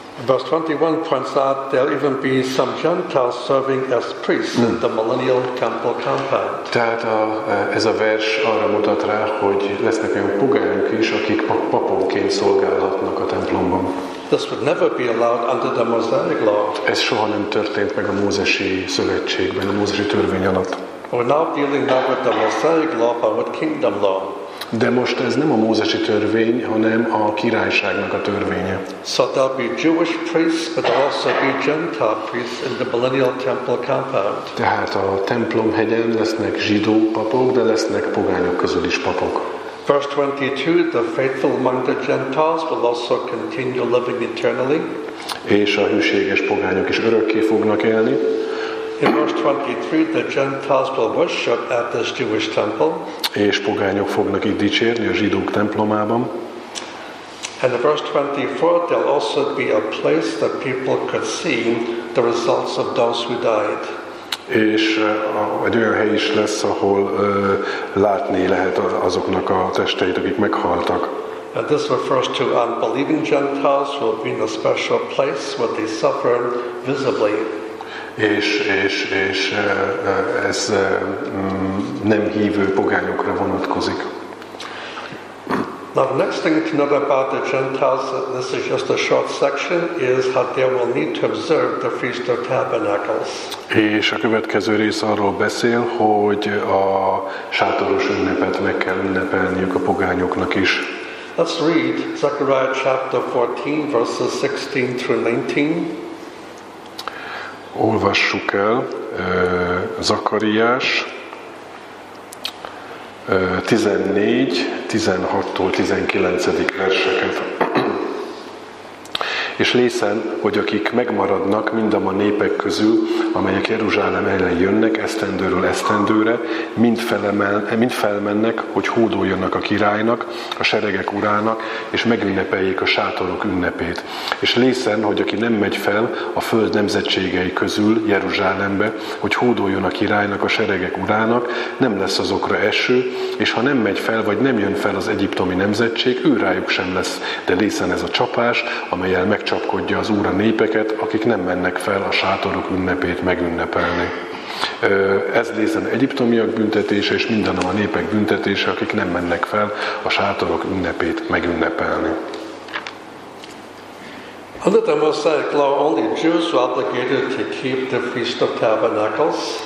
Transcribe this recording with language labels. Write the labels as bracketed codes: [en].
[en] Verse 21 points out there'll even be some Gentiles serving as priests in the millennial temple compound. [hu] Tehát ez a vers arra mutat rá, hogy lesznek olyan pogányok is, akik paponként szolgálhatnak a templomban. [en] This would never be allowed under the Mosaic law. [hu] Ez soha nem történt meg a mózesi szövetségben, a mózesi törvény alatt. [en] We're now dealing not with the Mosaic law, but with kingdom law. [hu] De most ez nem a mózesi törvény, hanem a királyságnak a törvénye. [en] So there'll be Jewish priests, but there'll also be Gentile priests in the millennial temple compound. [hu] Tehát a templomhegyen lesznek zsidó papok, de lesznek pogányok közül is papok. [en] Verse 22, the faithful among the Gentiles will also continue living eternally. [hu] És a hűséges pogányok is örökké fognak élni. [en] In verse 23, the Gentiles will worship at this Jewish temple. [hu] És pogányok fognak itt dicsérni a zsidók templomában. [en] And in verse 24, there'll also be a place that people could see the results of those who died. [hu] És egy olyan hely is lesz, ahol látni lehet azoknak a testeit, akik meghaltak. [en] And this refers to unbelieving Gentiles who have been a special place where they suffer visibly. [hu] És ez nem hívő pogányokra vonatkozik. [en] Now the next thing to note about the Gentiles, this is just a short section, is how they will need to observe the Feast of Tabernacles. [hu] És a következő rész arról beszél, hogy a sátoros ünnepet meg kell ünnepelniük a pogányoknak is. [en] Let's read Zechariah chapter 14, verses 16 through 19. [hu] Olvassuk el Zakariás 14, 16-tól 19. verseket. És lészen, hogy akik megmaradnak mindam a népek közül, amelyek Jeruzsálem ellen jönnek esztendőről esztendőre, mind felmennek, hogy hódoljanak a királynak, a seregek urának, és megünnepeljék a sátorok ünnepét. És lészen, hogy aki nem megy fel a föld nemzetségei közül Jeruzsálembe, hogy hódoljon a királynak, a seregek urának, nem lesz azokra eső, és ha nem megy fel, vagy nem jön fel az egyiptomi nemzetség, ő rájuk sem lesz. De lészen ez a csapás, amelyel meg csapkodja az Úr a népeket, akik nem mennek fel a sátorok ünnepét megünnepelni. Ez lészen egyiptomiak büntetése, és minden a népek büntetése, akik nem mennek fel a sátorok ünnepét megünnepelni. [en] Under the Mosaic law, only Jews were obligated to keep the Feast of Tabernacles.